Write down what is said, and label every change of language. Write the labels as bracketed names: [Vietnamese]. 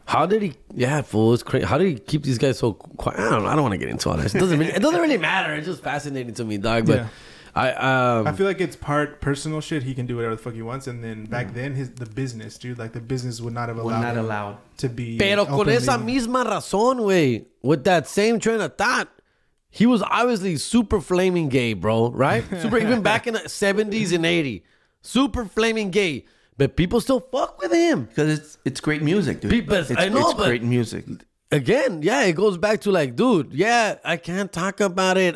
[English] How did he? Yeah, fool, it's crazy. How did he keep these guys so quiet? I don't want to get into all this. It doesn't really matter. It's just fascinating to me, dog. But yeah. I feel like it's part personal shit. He can do whatever the fuck he wants. And then back then, the business would not have allowed to be. [Spanish] Pero con esa misma razón, güey. [English] With that same train of thought, he was obviously super flaming gay, bro, right? Super, even back in the 70s and 80s, super flaming gay. But people still fuck with him. Because it's great music, dude. It's great music. Again, yeah, it goes back to like, dude, yeah, I can't talk about it.